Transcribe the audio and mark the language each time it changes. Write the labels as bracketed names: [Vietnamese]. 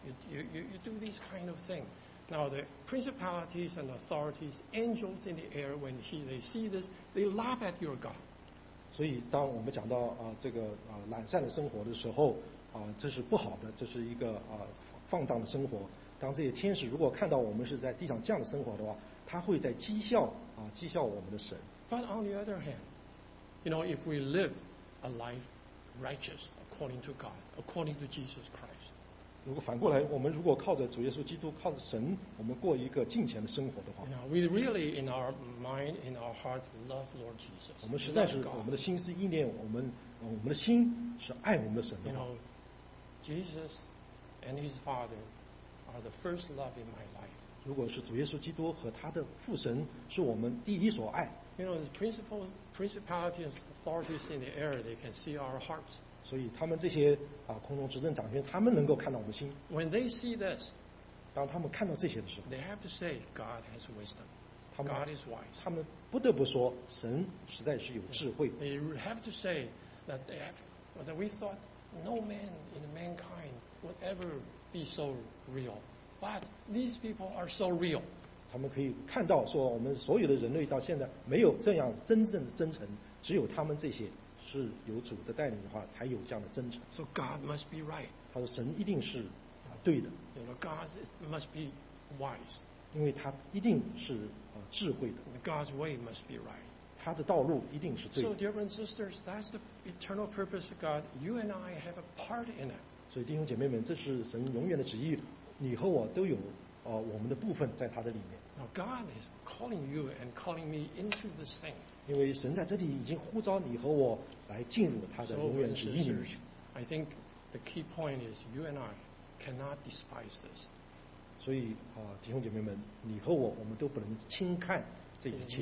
[English] You do these kind of things. Now the principalities and authorities, angels in the air, when they see this, they laugh at your God. [Chinese] 所以当我们讲到这个懒散的生活的时候，这是不好的，这是一个放荡的生活。当这些天使如果看到我们是在地上这样的生活的话，他会在讥笑我们的神。 [English] But on the other hand, you know, if we live a life righteous according to God, according to Jesus Christ. [Chinese] 如果反过来，我们如果靠着主耶稣基督，靠着神，我们过一个敬虔的生活的话 [English] you know, ，We really in our mind, in our heart, love Lord Jesus. [Chinese] 我们实在是我们的心思意念，我们的心是爱我们的神的。 [English] You know, Jesus and His Father are the first love in my life. [Chinese] 如果是主耶稣基督和他的父神是我们第一所爱。 [English] You know, the principalities, authorities in the air, they can see our hearts. [Chinese] 所以他们这些空中执政掌权，他们能够看到我们心。 [English] When they see this, [Chinese] 当他们看到这些的时候 [English] ，they have to say God has wisdom, God is wise. [Chinese] 他们不得不说，神实在是有智慧。 [English] They have to say that they have, that we thought no man in mankind would ever be so real, but these people are so real. [Chinese] 咱们可以看到说我们所有的人类到现在没有这样真正的真诚，只有他们这些是有主的带领的话才有这样的真诚。 [English] So God must be right. [Chinese] 他说神一定是对的。 [English] You know, God must be wise. [Chinese] 因为他一定是智慧的。 [English] God's way must be right. [Chinese] 他的道路一定是对的。 [English] So dear brothers and sisters, that's the eternal purpose of God. You and I have a part in it. [Chinese] 所以弟兄姐妹们，这是神永远的旨意，你和我都有我们的部分在他的里面。 [English] Now God is calling you and calling me into this thing. [Chinese] 因为神在这里已经呼召你和我来进入他的永远旨意里面。 [English] So, I think the key point is you and I cannot despise this. [Chinese] 所以弟兄姐妹们，你和我，我们都不能轻看这一切。